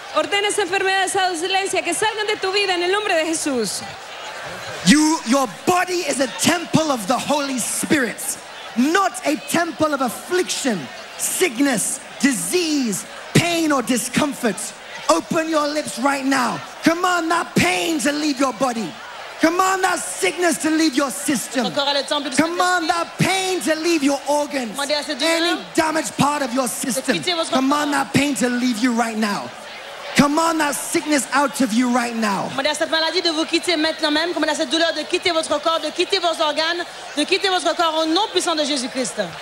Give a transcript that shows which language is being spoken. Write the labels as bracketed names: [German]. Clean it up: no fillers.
[Spanish] Ordena esa enfermedad, esa dolencia que salgan de tu vida en el nombre de Jesús. [English] Your body is a temple of the Holy Spirit, not a temple of affliction, sickness, disease, pain, or discomfort. Open your lips right now. Command that pain to leave your body. Command that sickness to leave your system. Command that pain to leave your organs. Any damaged part of your system. Command that pain to leave you right now. Command that sickness out of you right now. [French] Commandez cette maladie de vous quitter maintenant même. Commandez cette douleur de quitter votre corps, de quitter vos organes, de quitter votre corps au nom puissant de Jésus Christ.